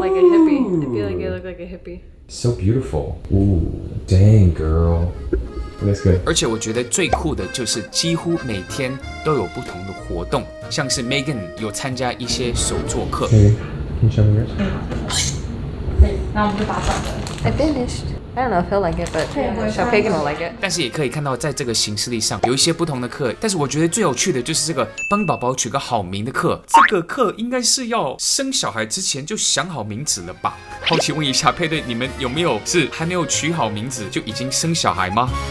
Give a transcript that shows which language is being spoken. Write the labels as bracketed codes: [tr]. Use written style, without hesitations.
[en] like a hippie. I feel like you look like a hippie. So beautiful. Ooh, dang girl. That's good. [zh] 而且我觉得最酷的就是几乎每天都有不同的活动，像是 Megan 有参加一些手作课。 [en] Okay, can you show me yours? Okay, now I'm gonna pop up. I finished. I don't know if he'll like it, but Xiao Pagan will like it. [zh] 但是也可以看到，在这个行事历上有一些不同的课。但是我觉得最有趣的就是这个帮宝宝取个好名的课。这个课应该是要生小孩之前就想好名字了吧？好奇问一下，佩顿，你们有没有是还没有取好名字就已经生小孩吗？